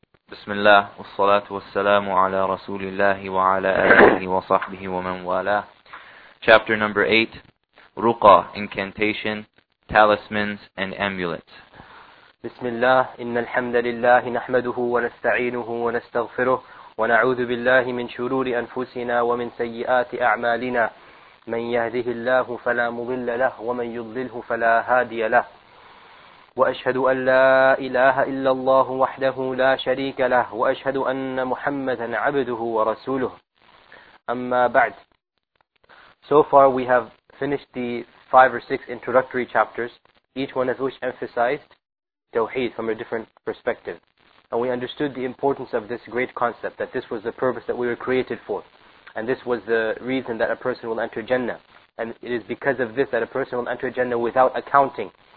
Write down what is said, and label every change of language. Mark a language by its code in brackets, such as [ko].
[ar] بسم الله والصلاة والسلام على رسول الله وعلى آله وصحبه ومن والاه. [en] Chapter number 8, Ruqa, Incantation, Talismans and Amulets. [ar] بسم الله إن الحمد لله نحمده ونستعينه ونستغفره ونعوذ بالله من شرور أنفسنا ومن سيئات أعمالنا. من يهده الله فلا مضل له ومن يضلله فلا هادي له. وأشهد أن لا إله إلا الله وحده لا شريك له وأشهد أن محمدا عبده ورسوله. أما بعد. [en] So far we have finished the five or six introductory chapters, each one of which emphasized Tawheed from a different perspective. And we understood the importance of this great concept, that this was the purpose that we were created for. And this was the reason that a person will enter Jannah. And it is because of this that a person will enter Jannah without accounting.